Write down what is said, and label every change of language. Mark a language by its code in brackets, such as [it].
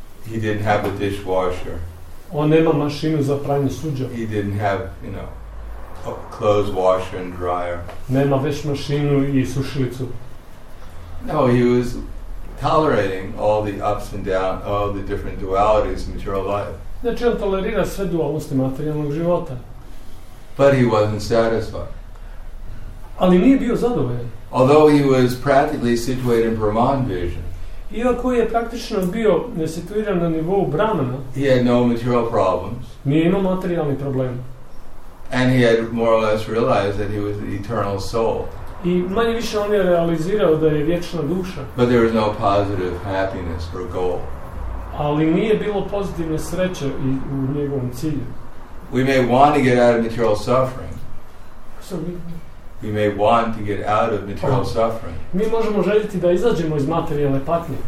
[en] He didn't have a dishwasher. [hr] On nema mašinu za pranje suđa. [en] He didn't have, you know, a clothes washer and dryer. [hr] Nema veš mašinu i sušilicu. [en] No, he was tolerating all the ups and downs, all the different dualities of material life. [hr] Znači, on tolerira sve dualosti materijalnog života. [en] But he wasn't satisfied. [hr] Ali nije bio zadovoljan. [en] Although he was practically situated in Brahman vision. [hr] Iako je praktično bio situiran na nivou Brahmana. [en] He had no material problems. [hr] Nije imao materijalni problem. [en] And he had more or less realized that he was the eternal soul. [hr] I manje više on je realizirao da je vječna duša. [en] But there was no positive happiness or goal. [hr] Ali nije bilo pozitivne sreće i u njegovom cilju. [en] We may want to get out of material suffering. Sorry. We may want to get out of material suffering. [hr] Mi možemo željeti da izađemo iz materijalne patnje.